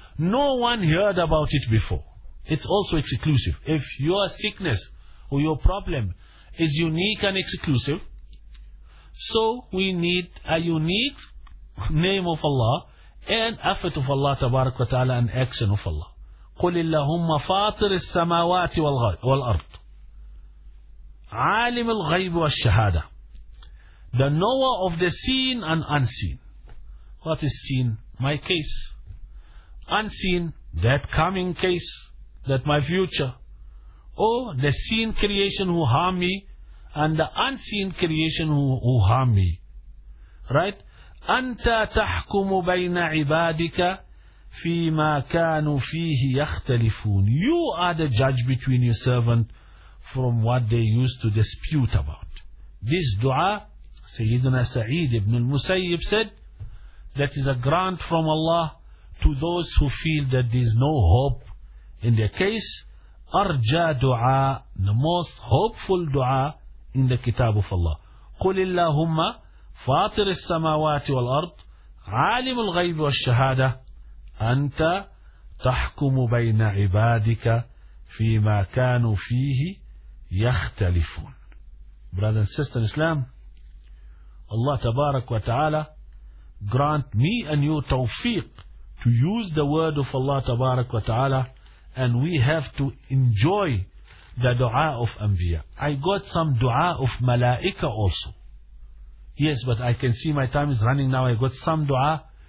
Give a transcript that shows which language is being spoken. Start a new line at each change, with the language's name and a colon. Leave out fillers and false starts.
English: No one heard about it before. It's also exclusive. If your sickness or your problem is unique and exclusive, so we need a unique name of Allah and effort of Allah Tabarak wa Ta'ala and action of Allah.
Arabic: قل اللهم فاطر السماوات والأرض عالم الغيب والشهادة.
English: The knower of the seen and unseen. What is seen? My case. Unseen, that coming case, that my future. Oh, the seen creation who harm me and the unseen creation who harm me. Right?
Arabic: أنت تحكم بين عبادك فيما كانوا فيه يختلفون.
English: You are the judge between your servant from what they used to dispute about. This dua, Sayyidina Sa'id ibn al-Musayyib said, that is a grant from Allah to those who feel that there is no hope in their case. Arja dua, the most hopeful dua in the Kitab of Allah.
Arabic: قُلِ اللَّهُمَّ فَاطِرِ السَّمَاوَاتِ وَالْأَرْضِ عَالِمُ الْغَيْبِ وَالشَّهَادَةِ أنت تحكم بين عبادك فيما كانوا فيه يختلفون.
English: Brother and sister in Islam, Allah Tabarak wa Ta'ala grant me and you tawfiq to use the word of Allah Tabarak wa Ta'ala, and we have to enjoy the dua of Anbiya. I got some dua of Malaika also. Yes, but I can see my time is running now. I got some dua.